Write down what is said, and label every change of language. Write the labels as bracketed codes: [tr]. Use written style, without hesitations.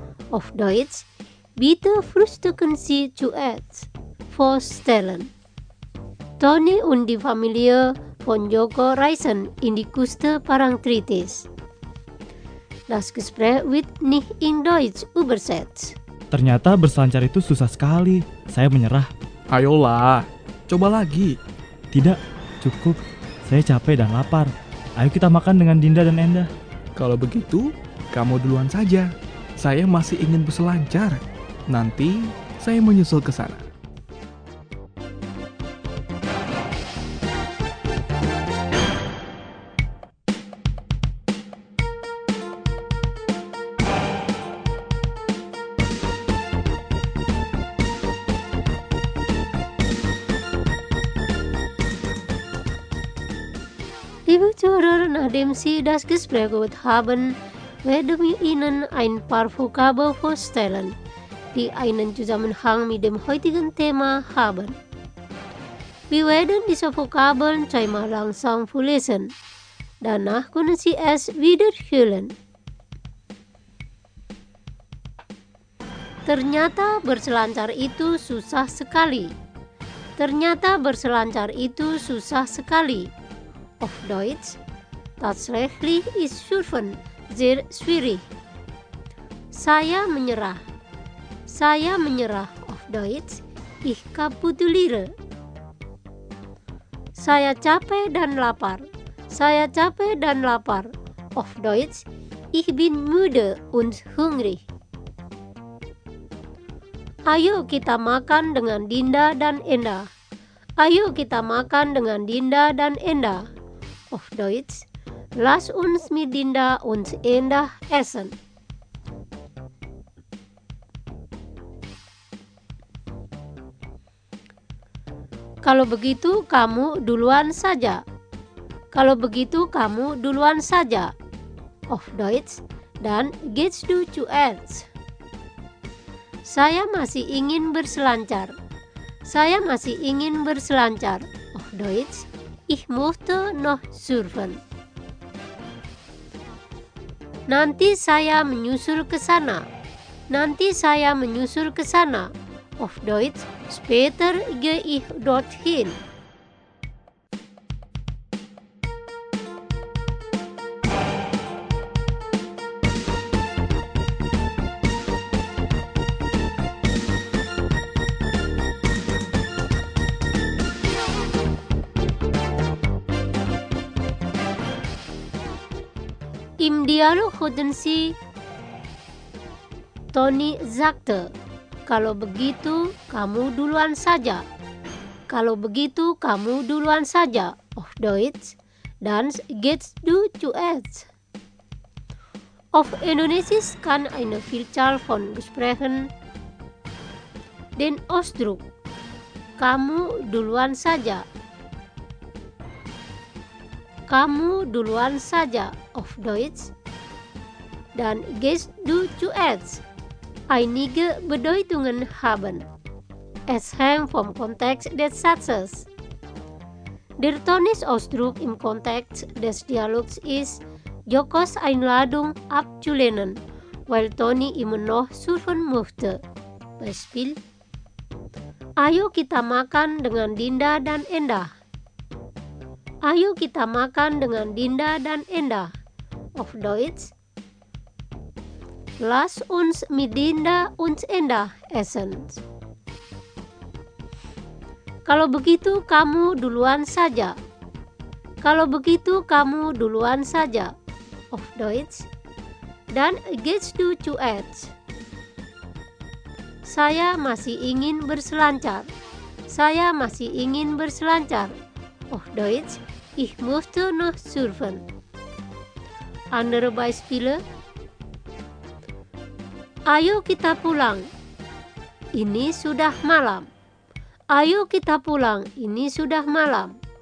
[de] Auf Deutsch, Bitte frühstücken Sie zuerst. Vorstellen. Tony und die Familie von Joko reisen in die Küste Parangtritis. Das Gespräch wird nicht in Deutsch übersetzt. [id] Ternyata berselancar itu susah sekali. Saya menyerah. Ayolah, coba lagi. Tidak, cukup. Saya capek dan lapar. Ayo kita makan dengan Dinda dan Enda. Kalau begitu, kamu duluan saja. Saya masih ingin berselancar. Nanti, saya menyusul ke sana. [de] Nachdem Sie das Gespräch gehört haben, werden wir Ihnen ein paar Vokabeln vorstellen, die einen Zusammenhang mit dem heutigen Thema haben. Wir werden diese Vokabeln zweimal langsam vorlesen. Danach können Sie es wiederholen. [id] Ternyata berselancar itu susah sekali. Ternyata berselancar itu susah sekali. [de] Auf Deutsch, tatsächlich ist surfen sehr schwierig. [id] Saya menyerah. Saya menyerah. [de] Auf Deutsch, ich kapituliere. [id] Saya capek dan lapar. Saya capek dan lapar. [de] Auf Deutsch, ich bin müde und hungrig. [id] Ayo kita makan dengan Dinda dan Enda. Ayo kita makan dengan Dinda dan Enda. [de] Auf Deutsch, lass uns mit Dinda und Enda essen. [id] Kalau begitu kamu duluan saja. Kalau begitu kamu duluan saja. [de] Auf Deutsch, dann gehst du zuerst. [id] Saya masih ingin berselancar. Saya masih ingin berselancar. [de] Auf Deutsch, ich möchte noch surfen. [id] Nanti saya menyusul ke sana. Nanti saya menyusul ke sana. [de] Auf Deutsch, später gehe ich dorthin. Im Dialog hörten Sie Toni sagte, [id] kalau begitu kamu duluan saja. Kalau begitu kamu duluan saja. [de] Auf Deutsch, dann gehst du zuerst. Auf Indonesisch kann eine Vielzahl von Gesprächen den Ausdruck [id] kamu duluan saja. Kamu duluan saja. [de] Auf Deutsch, dan gehst du zuerst. Einige Bedeutungen haben. Es hängt vom Kontext des Satzes. Der Tonusausdruck im Kontext des Dialogs ist Jokos Einladung abzulehnen, weil Toni immer noch surfen möchte. [id] Beispiel: Ayo kita makan dengan Dinda dan Enda. Ayo kita makan dengan Dinda dan Enda. [de] Auf Deutsch, lass uns mit Dinda und Enda essen. [id] Kalau begitu kamu duluan saja. Kalau begitu kamu duluan saja. [de] Auf Deutsch, dann gehst du zuerst. [id] Saya masih ingin berselancar. Saya masih ingin berselancar. [de] Auf Deutsch, ich möchte noch surfen. Andere Beispiele. [id] Ayo kita pulang. Ini sudah malam. Ayo kita pulang. Ini sudah malam.